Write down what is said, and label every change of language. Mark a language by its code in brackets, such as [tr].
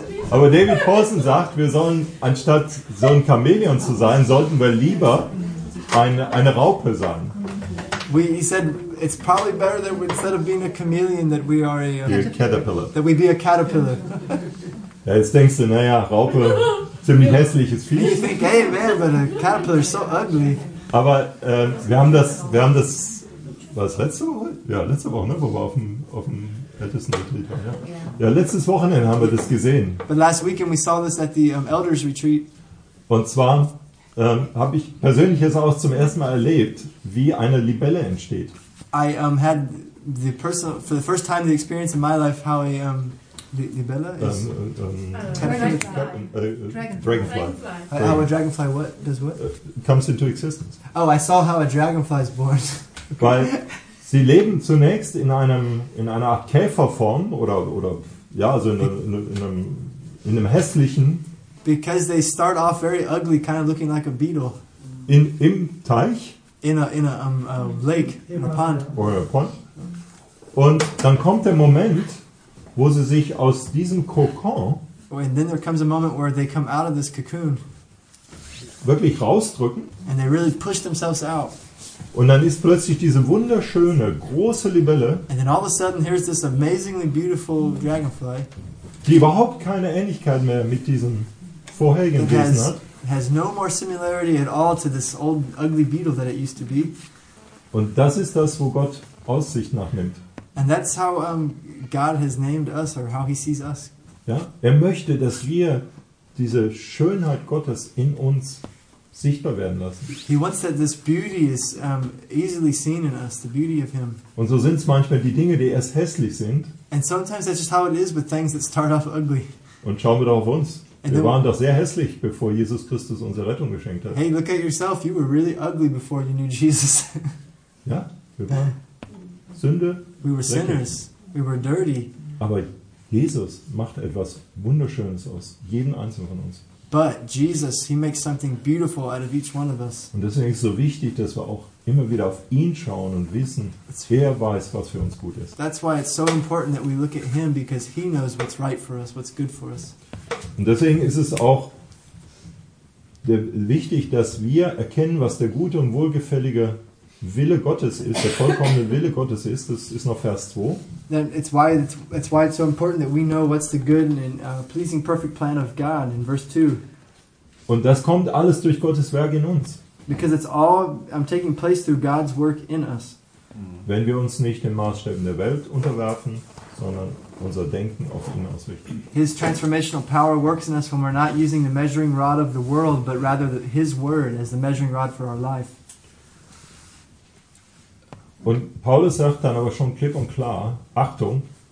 [de] Aber David Paulson sagt, wir sollen, anstatt so ein Chamäleon zu sein, sollten wir lieber eine Raupe sein. [en] He said, it's probably better that instead of being a chameleon, that we are a caterpillar. That we be a caterpillar. [de] Ja, jetzt denkst du, naja, Raupe, ziemlich hässliches Viech. [en] You think, hey man, but a caterpillar is so ugly. [de] Aber wir haben das, war es letzte Woche? Ja, letzte Woche, ne? Wo wir auf dem ältesten Retreat waren. Ja. Ja, letztes Wochenende haben wir das gesehen. [en] But last weekend we saw this at the Elders Retreat. [de] Und zwar habe ich persönlich jetzt auch zum ersten Mal erlebt, wie eine Libelle entsteht. [en] I had the person for the first time the experience in my life how a libella is dragonfly. How a dragonfly what does what comes into existence. Oh, I saw how a dragonfly is born. [de] Weil sie leben zunächst in einer Art Käferform oder ja, also in einem hässlichen. [en] Because they start off very ugly, kind of looking like a beetle. [de] Im Teich. [en] In a lake, in a pond. Or a pond. [de] Und dann kommt der Moment, wo sie sich aus diesem Kokon. [en] Oh, and then there comes a moment where they come out of this cocoon. [de] Wirklich rausdrücken. [en] And they really push themselves out. [de] Und dann ist plötzlich diese wunderschöne große Libelle. [en] And then all of a sudden here's this amazingly beautiful dragonfly. [de] Die überhaupt keine Ähnlichkeit mehr mit diesem vorherigen Wesen hat. [en] It has no more similarity at all to this old ugly beetle that it used to be. [de] Und das ist das, wo Gott Aussicht nachnimmt. [en] And that's how God has named us or how he sees us. [de] Ja, er möchte, dass wir diese Schönheit Gottes in uns sichtbar werden lassen. [en] He wants that this beauty is easily seen in us, the beauty of him. [de] Und so sind es manchmal die Dinge, die erst hässlich sind. [en] And sometimes that's just how it is with things that start off ugly. [de] Und schauen wir doch auf uns. And wir waren doch sehr hässlich, bevor Jesus Christus unsere Rettung geschenkt hat. [en] Hey, look at yourself. You were really ugly before you knew Jesus. [de] Ja, wir waren Sünde. [en] We were sinners. We were dirty. [de] Aber Jesus macht etwas Wunderschönes aus jedem Einzelnen von uns. [en] But Jesus, he makes something beautiful out of each one of us. [de] Und deswegen ist es so wichtig, dass wir auch immer wieder auf ihn schauen und wissen, wer weiß, was für uns gut ist. [en] That's why it's so important that we look at him, because he knows what's right for us, what's good for us. [de] Und deswegen ist es auch wichtig, dass wir erkennen, was der gute und wohlgefällige Wille Gottes ist, der vollkommene Wille Gottes ist. Das ist noch Vers 2. [en] Then it's why it's so important that we know what's the good and pleasing perfect plan of God in verse 2. [de] Und das kommt alles durch Gottes Werk in uns. [en] Because it's all taking place through God's work in us. [de] Wenn wir uns nicht den Maßstäben der Welt unterwerfen, sondern unser Denken auf ihn ausrichten. [en] His transformational power works in us when we're not using the measuring rod of the world, but rather his word as the measuring rod for our life. [de] Und Paulus sagt dann aber schon klipp und klar, Achtung.